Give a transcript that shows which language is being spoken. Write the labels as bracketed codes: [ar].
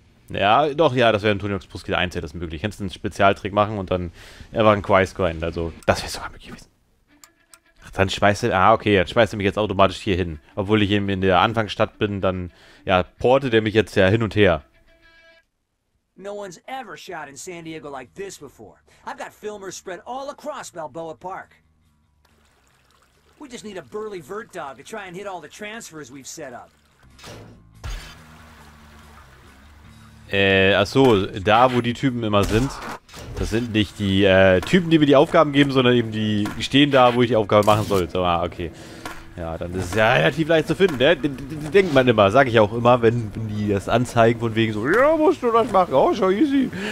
[de] Ja, doch, ja, das wäre ein Tunix Puskit 1, das ist möglich. Kannst du einen Spezialtrick machen und dann einfach ein Quice-Grind, also das wäre sogar möglich gewesen. Ach, dann schmeißt er, okay, dann schmeißt er mich jetzt automatisch hier hin. Obwohl ich eben in der Anfangsstadt bin, dann, ja, portet er mich jetzt ja hin und her. [en] No one's ever shot in San Diego like this before. I've got filmers spread all across Balboa Park. We just need a burly vert dog to try and hit all the transfers we've set up. [de] Achso, da wo die Typen immer sind, das sind nicht die Typen, die mir die Aufgaben geben, sondern eben die stehen da, wo ich die Aufgabe machen soll. So, ah, okay. Ja, dann ist es ja relativ leicht zu finden, ne? Denkt man immer, sag ich auch immer, wenn die das anzeigen von wegen so, ja, musst du das machen, oh, schon easy.